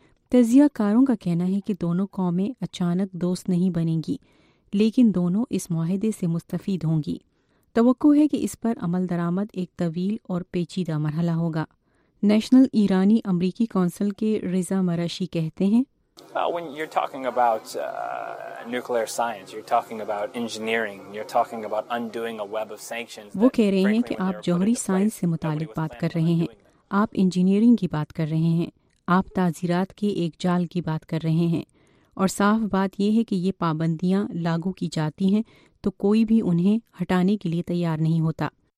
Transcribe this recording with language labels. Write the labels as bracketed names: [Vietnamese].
[Urdu] تجزیہ کاروں کا کہنا ہے کہ دونوں قومیں اچانک دوست نہیں بنیں گی, لیکن دونوں اس معاہدے سے مستفید ہوں گی. توقع ہے کہ اس پر عمل درآمد ایک طویل اور پیچیدہ مرحلہ ہوگا. نیشنل ایرانی امریکی کونسل کے رضا مرشی کہتے ہیں, [English] When you're talking about nuclear science, you're talking about engineering, you're talking about undoing a web of sanctions. [Urdu] وہ کہہ رہے ہیں کہ آپ جوہری سائنس سے متعلق بات کر رہے ہیں, آپ انجینئرنگ کی بات کر رہے ہیں, آپ تعزیرات کے ایک جال کی بات کر رہے ہیں, اور صاف بات یہ ہے کہ یہ پابندیاں لاگو کی جاتی ہیں تو کوئی بھی انہیں ہٹانے کے لیے تیار نہیں ہوتا.